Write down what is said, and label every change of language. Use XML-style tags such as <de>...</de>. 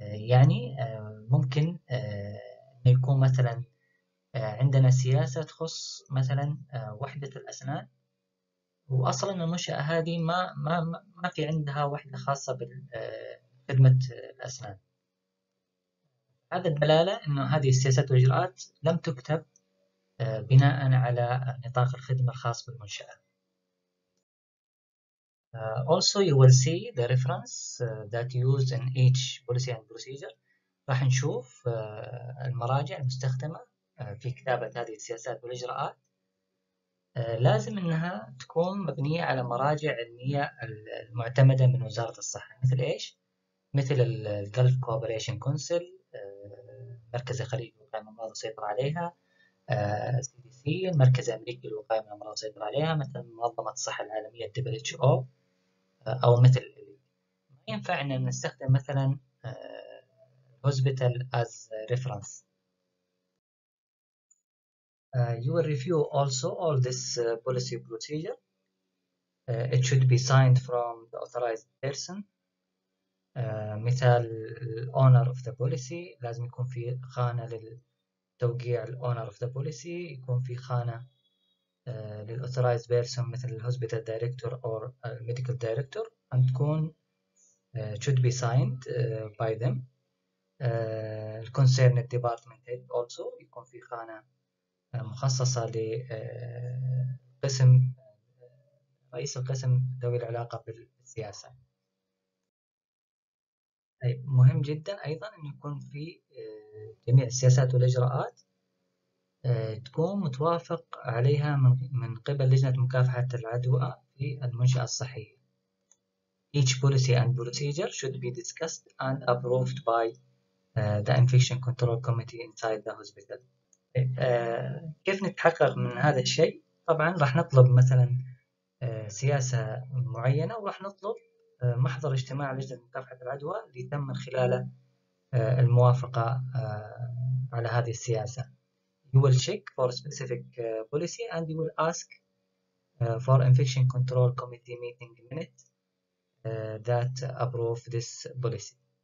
<ar>يعني ممكن يكون مثلا عندنا سياسة تخص مثلا وحدة الأسنان، وأصلا المنشأة هذه ما في عندها وحدة خاصة بخدمة الأسنان. هذا الدلالة أن هذه السياسات والإجراءات لم تكتب بناء على نطاق الخدمة الخاص بالمنشأة.</ar> <en>Also you will see the reference that used in each policy and procedure.</en> <ar>راح نشوف المراجع المستخدمة في كتابة هذه السياسات والإجراءات. لازم إنها تكون مبنية على مراجع علمية المعتمدة من وزارة الصحة، مثل إيش؟ مثل الـ Gulf Cooperation Council، مركز الخليج للوقاية من الأمراض والسيطرة عليها، CDC، المركز الأمريكي للوقاية من الأمراض والسيطرة عليها، مثل منظمة الصحة العالمية WHO، أو مثل. ما ينفع إن نستخدم مثلا</ar> <en>Hospital as Reference. You will review also all this policy procedure. It should be signed from the authorized person.</en> <ar>مثال</ar> <en>owner of the policy،</en> <ar>لازم يكون في خانة للتوقيع owner of the policy، يكون في خانة للauthorized person مثل</ar> <en>hospital director or medical director،</en> <ar>and تكون</ar> <en>should be signed by them. Concerned department head also،</en> <ar>يكون في خانة مخصصة لقسم رئيس القسم ذوي العلاقة بالسياسة. مهم جدا أيضا أن يكون في جميع السياسات والإجراءات تكون متوافق عليها من قبل لجنة مكافحة العدوى في المنشأة الصحية.</ar> <en>Each policy and procedure should be discussed and approved by the infection control committee inside the hospital.</en> <ar>كيف نتحقق من هذا الشيء؟ طبعا راح نطلب مثلا سياسة معينة، وراح نطلب محضر اجتماع لجنة مكافحة العدوى اللي تم من خلاله الموافقة على هذه السياسة.</ar> <en>You will check for specific policy and you will ask for infection control committee meeting minutes that approve this policy.</en>